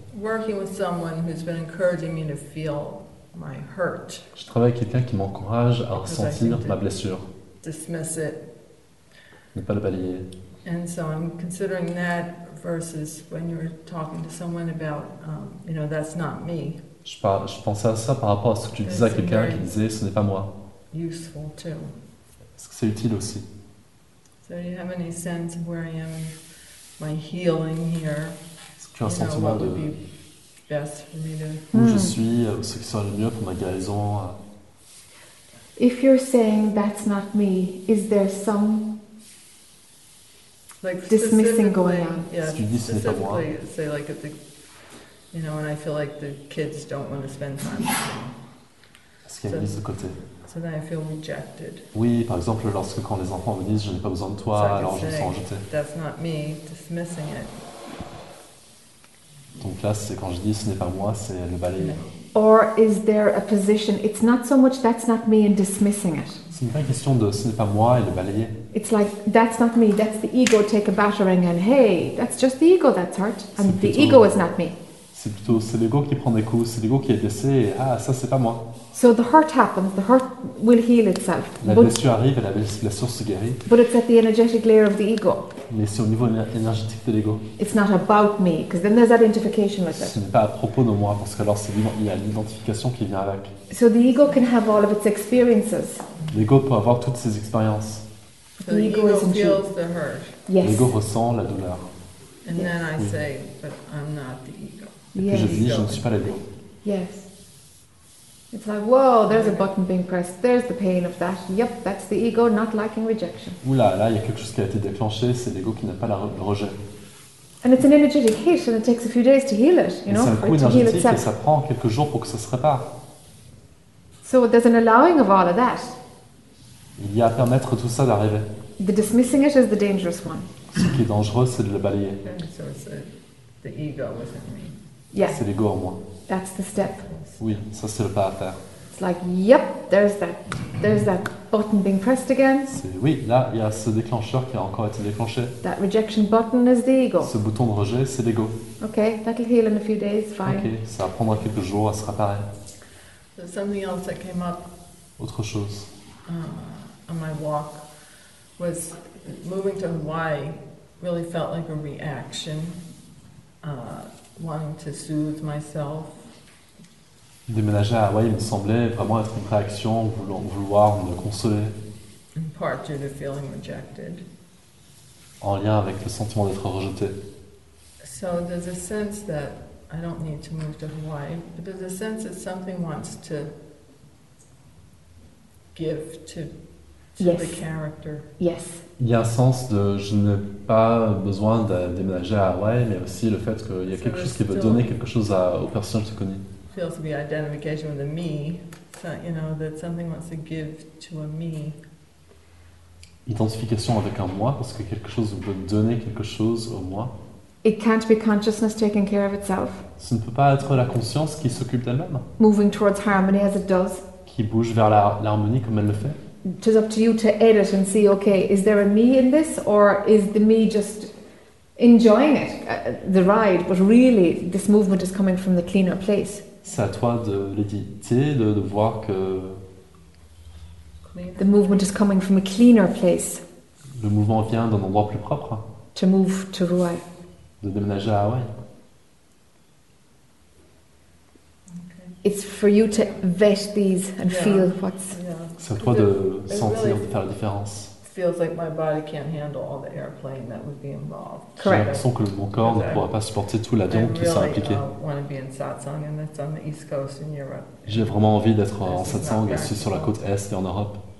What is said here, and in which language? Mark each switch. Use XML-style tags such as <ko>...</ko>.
<en>Working with someone who's been encouraging me to feel my hurt.</en> <fr>Je travaille avec quelqu'un qui m'encourage à ressentir ma blessure.</fr> <en>Dismiss it.</en> <fr>Ne pas le balayer.</fr> <en>And so I'm considering that versus when you're talking to someone about, you know, that's not me.</en> <fr>Je pensais à ça par rapport à ce que tu disais à quelqu'un qui disait, ce n'est pas moi.</fr> <en>Useful too.</en> <fr>Est-ce que c'est utile aussi?</fr> <en>So do you have any sense of where I am, my healing here?</en> <fr>Est-ce que tu as un sentiment de</fr> <en>best for me to...</en> <fr>où je suis, ce qui serait le mieux pour ma guérison?</fr> <en>If you're saying that's not me, is there some... Like dismissing going on. Yeah, specifically, say like at the, you know, when I feel like the kids don't want to spend time. So then I feel rejected.</en> <fr>Oui, par exemple, lorsque quand les enfants me disent je n'ai pas besoin de toi,</fr> <en>so</en> <fr>alors</fr> <en>say,</en> <fr>je me sens rejeté.</fr> <en>That's not me dismissing it.</en> <fr>Donc là, c'est quand je dis ce n'est pas moi, c'est le balayer.</fr> <en>Or is there a position? It's not so much that's not me and dismissing it.</en> <fr>C'est une vraie question de ce n'est pas moi et le balayer.</fr> <en>It's like that's not me. That's the ego take a battering and hey, that's just the ego that's hurt and</en> <fr>plutôt,</fr> <en>the ego is not me.</en> <fr>C'est l'ego qui prend des coups. C'est l'ego qui est blessé. Et, ah, ça c'est pas moi.</fr> <en>So the hurt happens. The hurt will heal itself.</en> <fr>La blessure arrive et la blessure se guérit.</fr> <en>But it's at the energetic layer of the ego.</en> <fr>Mais c'est au niveau énergétique de l'ego.</fr> <en>It's not about me, because then there's that identification with it.</en> <fr>Ce n'est pas à propos de moi, parce qu'alors il y a l'identification qui vient avec.</fr> <en>So the ego can have all of its experiences.</en> <fr>L'ego peut avoir toutes ses expériences.</fr> <en>So the ego feels the hurt. Yes.</en> <fr>L'ego ressent la douleur.</fr> <en>And then I say, but I'm not the ego.</en> <fr>Et puis je dis, je ne suis pas l'ego.</fr> <en>Yes. It's like, whoa, there's a button being pressed, there's the pain of that. Yep, that's the ego not liking rejection.</en> <fr>Oula, là, il y a quelque chose qui a été déclenché, c'est l'ego qui n'a pas le rejet.</fr> <en>And it's an energetic hit, and it takes a few days to heal it, you know, for it to heal itself.</en> <fr>Et ça prend quelques jours pour que ça se répare.</fr> <en>So there's an allowing of all of that.</en> <fr>Il y a à permettre tout ça d'arriver.</fr> <en>The dismissing it is the dangerous one.</en> <fr>Ce qui est dangereux, c'est de le balayer.</fr> <en>So it's the ego within me. Yeah.</en> <fr>C'est l'ego en moi.</fr> <en>That's the step.</en> <fr>Oui, ça c'est le pas à faire.</fr> <en>It's like, yep, there's that button being pressed again.</en> <fr>C'est, oui, là, il y a ce déclencheur qui a encore été déclenché.</fr> <en>That rejection button is the ego.</en> <fr>Ce bouton de rejet, c'est l'ego.</fr> <en>Okay, that'll heal in a few days, fine.</en> <fr>Okay, ça va prendre quelques jours à se réparer.</fr> <en>So something else that came up.</en> <fr>Autre chose.</fr> <en>On my walk was moving to Hawaii really felt like a reaction, wanting to soothe myself.</en> <fr>Déménager à Hawaii me semblait vraiment être une réaction, vouloir me consoler.</fr> <en>In part due to feeling rejected.</en> <fr>En lien avec le sentiment d'être rejeté.</fr> <en>So there's a sense that I don't need to move to Hawaii, but there's a sense that something wants to give to yes. The character. Yes.</en> <fr>Il y a un sens de je n'ai pas besoin de déménager à Hawaii, mais aussi le fait qu'il y a</fr> <en>so</en> <fr>quelque chose qui veut donner quelque chose au personnage que tu connais.</fr> <en>Feels to be identification with a me, so, you know, that something wants to give to a me.</en> <fr>Identification avec un moi, parce que quelque chose veut donner quelque chose au moi.</fr> <en>It can't be consciousness taking care of itself.</en> <fr>Ce ne peut pas être la conscience qui s'occupe d'elle-même.</fr> <en>Moving towards harmony as it does.</en> <fr>Qui bouge vers l'harmonie comme elle le fait.</fr> <en>It is up to you to edit and see, okay, is there a me in this, or is the me just enjoying it, the ride, but really this movement is coming from the cleaner place.</en> <fr>C'est à toi de l'éditer, de voir que</fr> <en>the movement is coming from a cleaner place.</en> <fr>Le mouvement vient d'un endroit plus propre.</fr> <en>To move to Hawaii.</en> <fr>De déménager à Hawaii.</fr> <en>Okay. It's for you to vet these and yeah. Feel what's. Yeah.</en> <fr>C'est à toi de sentir, de faire la différence.</fr> <en>Feels like my body can't handle all the airplane that would be involved. Correct.</en> <fr>J'ai l'impression que mon corps ne pourra pas supporter tout l'avion qui</fr> <en>really</en> <fr>s'est impliqué. J'ai vraiment envie d'être en satsang et sur la côte est et en Europe.</fr>